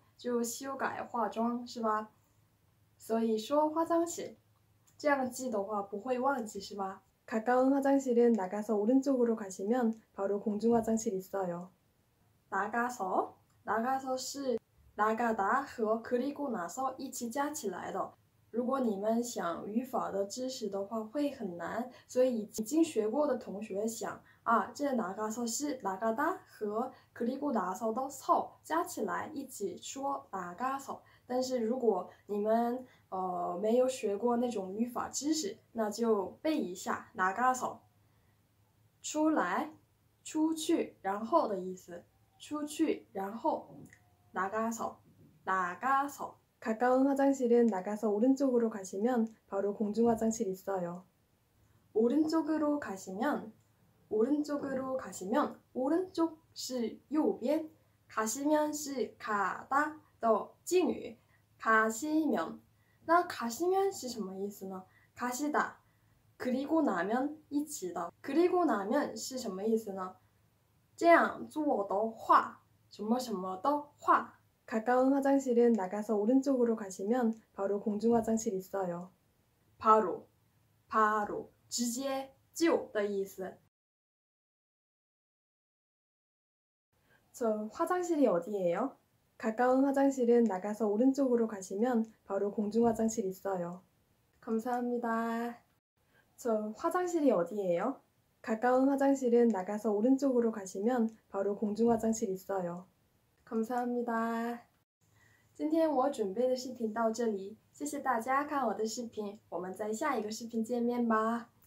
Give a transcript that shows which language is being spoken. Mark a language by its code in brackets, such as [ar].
[zh] 因为在厕所里面化妆就修改化妆是吧?所以说화장실 这样记的话不会忘记是吧? [ko] 가까운 화장실은 나가서 오른쪽으로 가시면 바로 공중화장실 있어요. 나가서? [zh] 나가서是 나가다和 그리고 나서一起加起来的. 如果你们想语法的知识的话会很难所以已经学过的同学想啊这나가서是 나가다和 그리고 나서的凑加起来一起说 나가서 但是如果你们没有学过那种语法知识，那就背一下，나가서，出来，出去，然后的意思，出去，然后，나가서，나가서。 [ko] 가까운 화장실은 나가서 오른쪽으로 가시면 바로 공중화장실 있어요. 오른쪽으로 가시면, 오른쪽으로 가시면, 오른쪽 [zh] 是右边, [ko] 가시면是가다 [zh] 的敬语. [ko] 가시면, 나 가시면 [zh] 是什么意思呢? [ko] 가시다, 그리고 나면 이치다. 그리고 나면 시 [zh] 什么 意思呢? 这样做的话, 什么什么的话. [ko] 가까운 화장실은 나가서 오른쪽으로 가시면 바로 공중 화장실 있어요. 바로, 바로, [zh] 直接就的意思. [ko] 저 화장실이 어디예요? 가까운 화장실은 나가서 오른쪽으로 가시면 바로 공중 화장실 있어요. 감사합니다. 저 화장실이 어디예요? 가까운 화장실은 나가서 오른쪽으로 가시면 바로 공중 화장실 있어요. 감사합니다. [zh] 今天我準備的視頻到這裡,謝謝大家看我的視頻,我們在下一個視頻見面吧.